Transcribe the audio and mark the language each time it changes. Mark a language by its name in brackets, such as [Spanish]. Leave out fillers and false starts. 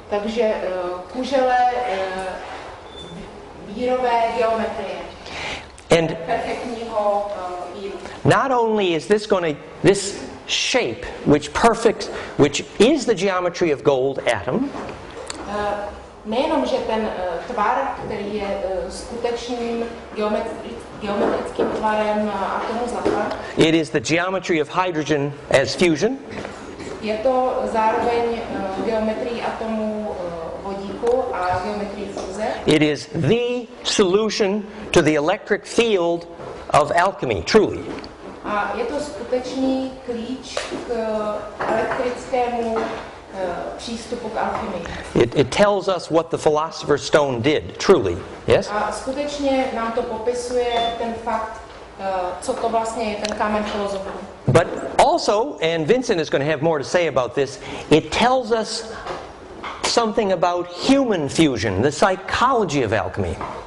[Czech] Takže kužele vírové geometrie. [English] And [Czech] perfektního víru. [English] Not only is this shape, which is the geometry of gold atom. [Czech] Nejenom, že ten tvar, který je skutečným geometrickým tvarem atomu zlata. [English] It is the geometry of hydrogen as fusion. [Czech] Je to zároveň geometrii atomu vodíku a geometrii fúze. [English] It is the solution to the electric field of alchemy, truly. [Czech] A je to skutečný klíč k elektrickému přístupu k alchemii. [English] It tells us what the philosopher's stone did, truly. Yes? [Czech] A skutečně nám to popisuje ten fakt, co to vlastně je ten kámen filozofů. [English] But also, and Vincent is going to have more to say about this, it tells us something about human fusion, the psychology of alchemy.